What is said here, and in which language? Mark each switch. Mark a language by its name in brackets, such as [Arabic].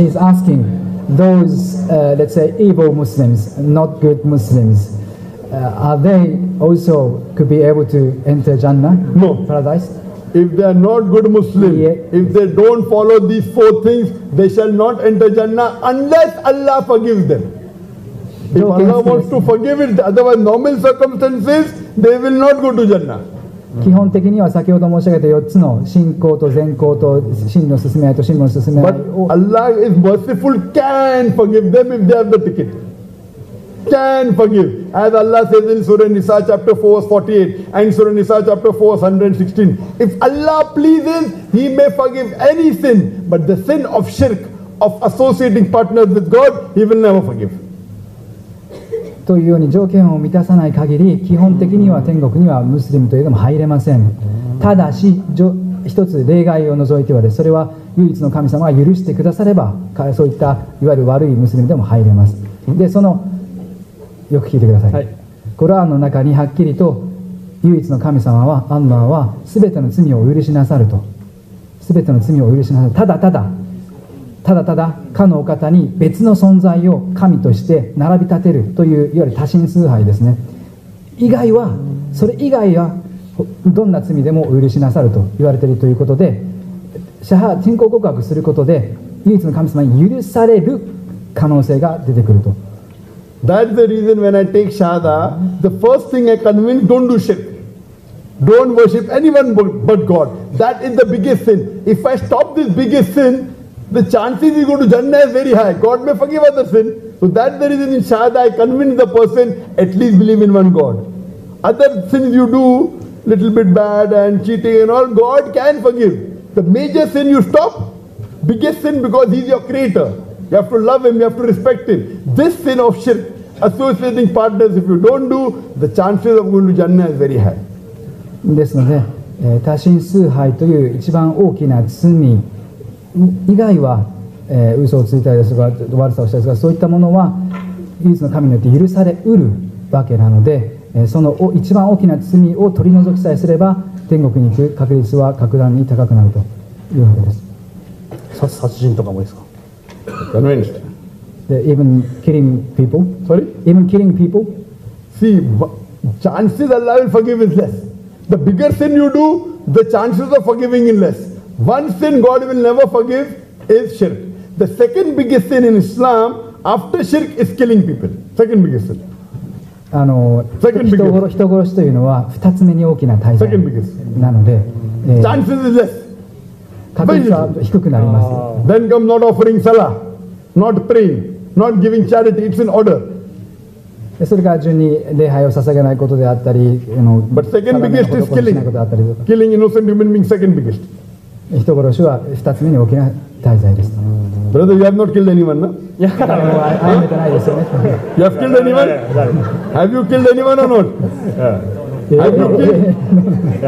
[English] He's asking those, let's say, evil Muslims, not good Muslims, are they also could be able to enter Jannah? No. Paradise? If they are not good Muslims, if they don't follow these four things, they shall not enter Jannah unless Allah forgives them. If Allah wants to forgive it, otherwise normal circumstances, they will not go to Jannah. [Japanese] 基本的には先ほど申し上げた4つの信仰と善行と真の進め合いと真の進め合い。 [English] But Allah is merciful, can forgive them if they have the ticket. Can forgive. As Allah says in Surah Nisa chapter 4 verse 48 and Surah Nisa chapter 4 verse 116. If Allah pleases, He may forgive any sin, but the sin of shirk, of associating partners with God, He will never forgive. [Japanese] というように条件を満たさない限り基本的には天国にはムスリムといえども入れません。ただし一つ例外を除いては、でそれは唯一の神様が許してくださればそういったいわゆる悪いムスリムでも入れます。でそのよく聞いてください、はい、コラーンの中にはっきりと唯一の神様はアンナーは全ての罪を許しなさると、全ての罪を許しなさる、ただただただただかのお方に別の存在を神として並び立てるといういわゆる多神崇拝ですね、以外はそれ以外はどんな罪でもお許しなさると言われているということで、シャハ信仰告白することで唯一の神様に許される可能性が出てくると。 [English] That is the reason when I take shahada, the first thing I convince, don't do shirk. Don't worship anyone but God. That is the biggest sin. If I stop this biggest sinThe chances you go to Jannah is very high. God may forgive other sin. So that's the reason in Shahada I convince the person at least believe in one God. Other sins you do, little bit bad and cheating and all, God can forgive. The major sin you stop, biggest sin because he's your creator. You have to love him, you have to respect him. This sin of shirk, associating partners, if you don't do, the chances of going to Jannah is very high. [Japanese] ですので、多神崇拝という一番大きな罪以外は、嘘をついたりですとか悪さをしたりですとか、そういったものは唯一の神によって許されうるわけなので、その一番大きな罪を取り除きさえすれば天国に行く確率は格段に高くなるというわけです。殺人とかもですか？ [English] で、even killing people? Sorry? Even killing people? See, chances Allah will forgive is less. The bigger sin you do, the chances of forgiving is less. One sin God will never forgive is shirk. The second biggest sin in Islam after shirk is killing people. Second biggest sin. Second biggest. [Japanese] 人殺しというのは2つ目に大きな大罪。 [English] Second biggest. [Japanese] なので、 [English] chances is less. [Japanese] 確率は低くなります。 [English] Then come not offering salah, not praying, not giving charity. It's in order. [Japanese] それから順に礼拝を捧げないことであったり、 [English] But second biggest is killing. Killing innocent human being second biggest. [Japanese] 人殺しは二つ目に大きな大罪です。 [English] Brother, you have not killed anyone, no? [Japanese] いや、もう会えてないですよね。 [English] You have killed anyone? Have you killed anyone or not?